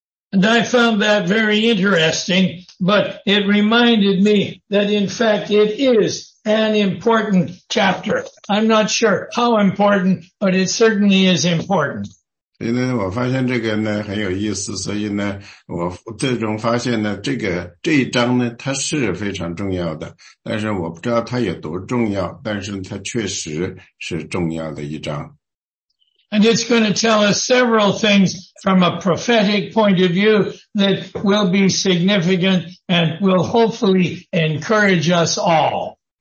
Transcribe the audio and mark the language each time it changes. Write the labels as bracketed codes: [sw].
[en] And I found that very interesting, but it reminded me that in fact it is an important chapter. I'm not sure how important, but it certainly is important. [zh] 所以呢，我发现这个呢很有意思，所以呢，我最终发现呢，这一章呢，它是非常重要的，但是我不知道它有多重要，但是它确实是重要的一章。 [en] And it's going to tell us several things from a prophetic point of view that will be significant and will hopefully encourage us all.